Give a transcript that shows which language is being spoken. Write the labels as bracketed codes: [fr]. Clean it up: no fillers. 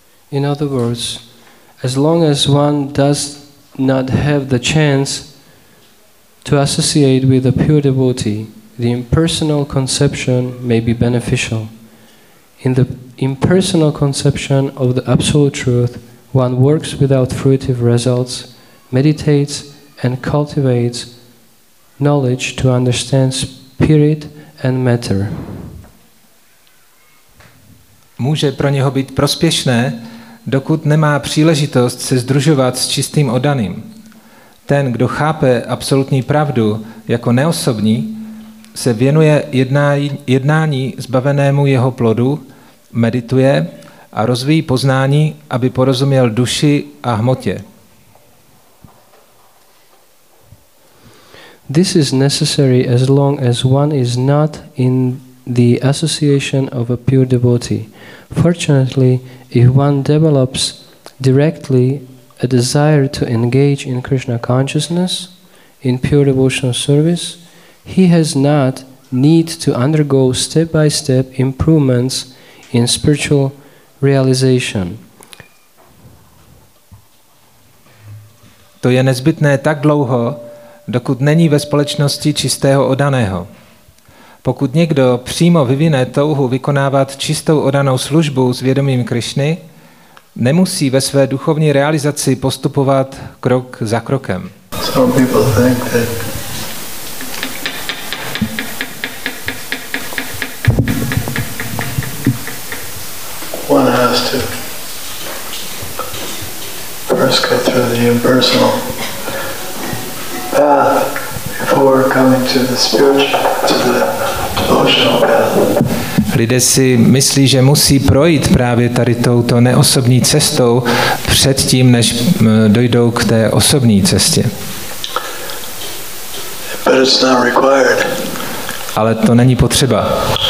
[en] In other words, as long as one does not have the chance to associate with a pure devotee, the impersonal conception may be beneficial. In the impersonal conception of the Absolute Truth, one works without fruitive results, meditates and cultivates knowledge to understand spirit and matter. [cs] Může pro něho být prospěšné, dokud nemá příležitost se združovat s čistým oddaným. Ten, kdo chápe absolutní pravdu jako neosobní, se věnuje jednání zbavenému jeho plodu, medituje a rozvíjí poznání, aby porozuměl duši a hmotě. [en] This is necessary as long as one is not in the association of a pure devotee. Fortunately, if one develops directly a desire to engage in Krishna consciousness, in pure devotional service, he has not need to undergo step-by-step improvements in spiritual realization. [cs] To je nezbytné tak dlouho, dokud není ve společnosti čistého oddaného. Pokud někdo přímo vyvine touhu vykonávat čistou oddanou službu s vědomím Krišny, nemusí ve své duchovní realizaci postupovat krok za krokem. [en] Some people think that one has to first go through the impersonal path before coming to the spiritual, to the devotional path. [cs] Lidé si myslí, že musí projít právě tady touto neosobní cestou předtím, než dojdou k té osobní cestě. [en] But it's not required. [cs] Ale to není potřeba.